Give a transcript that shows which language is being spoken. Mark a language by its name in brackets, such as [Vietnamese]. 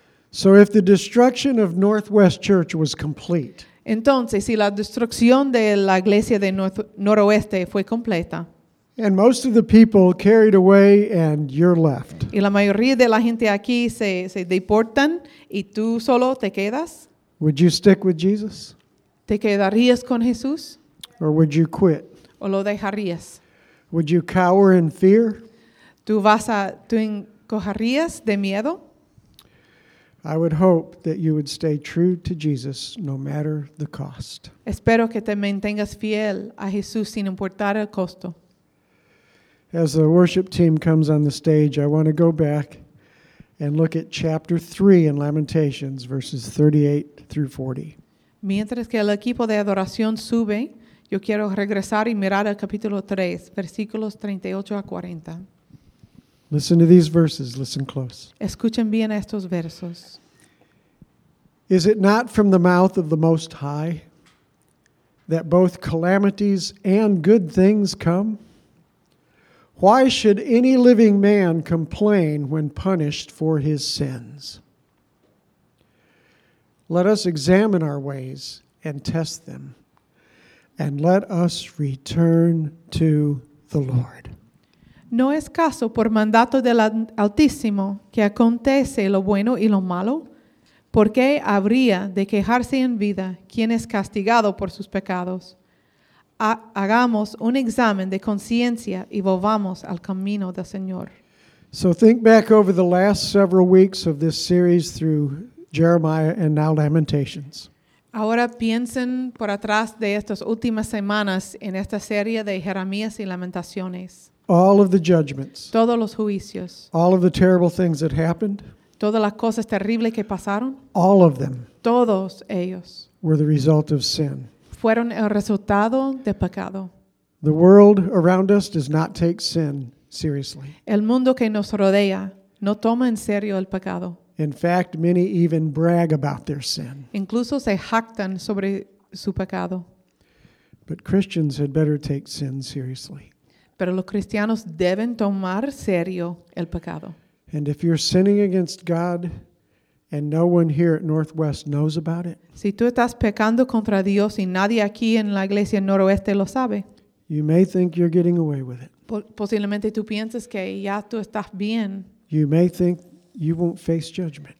[English] So if the destruction of Northwest Church was complete. [Spanish] Entonces, si la destrucción de la iglesia de Noroeste fue completa. [English] And most of the people carried away and you're left. [Spanish] Y la mayoría de la gente aquí se deportan y tú solo te quedas. [English] Would you stick with Jesus? [Spanish] ¿Te quedarías con Jesús? [English] Or would you quit? [Spanish] ¿O lo dejarías? [English] Would you cower in fear? [Spanish] ¿Tú encojarías de miedo? [English] I would hope that you would stay true to Jesus no matter the cost. [Spanish] Espero que te mantengas fiel a Jesús sin importar el costo. [English] As the worship team comes on the stage, I want to go back and look at chapter 3 in Lamentations, verses 38 through 40. [Spanish] Mientras que el equipo de adoración sube, yo quiero regresar y mirar al capítulo 3, versículos 38 a 40. [English] Listen to these verses. Listen close. [Spanish] Escuchen bien estos versos. [English] Is it not from the mouth of the Most High that both calamities and good things come? Why should any living man complain when punished for his sins? Let us examine our ways and test them, and let us return to the Lord. [Spanish] ¿No es caso por mandato del Altísimo que acontece lo bueno y lo malo? ¿Por qué habría de quejarse en vida quien es castigado por sus pecados? Hagamos un examen de conciencia y volvamos al camino del Señor. [English] So think back over the last several weeks of this series through Jeremiah and now Lamentations. [Spanish] Ahora piensen por atrás de estas últimas semanas en esta serie de Jeremías y Lamentaciones. [English] All of the judgments. [Spanish] Todos los juicios. [English] All of the terrible things that happened. [Spanish] Todas las cosas terribles que pasaron. [English] All of them. [Spanish] Todos ellos. [English] Were the result of sin. [Spanish] Fueron el resultado del pecado. [English] The world around us does not take sin seriously. [Spanish] El mundo que nos rodea no toma en serio el pecado. [English] In fact, many even brag about their sin. [Spanish] Incluso se jactan sobre su pecado. [English] But Christians had better take sin seriously. [Spanish] Pero los cristianos deben tomar serio el pecado. [English] And if you're sinning against God and no one here at Northwest knows about it, [Spanish] si tú estás pecando contra Dios y nadie aquí en la iglesia Noroeste lo sabe, [English] you may think you're getting away with it. [Spanish] Posiblemente tú pienses que ya tú estás bien. [English] You may think you won't face judgment.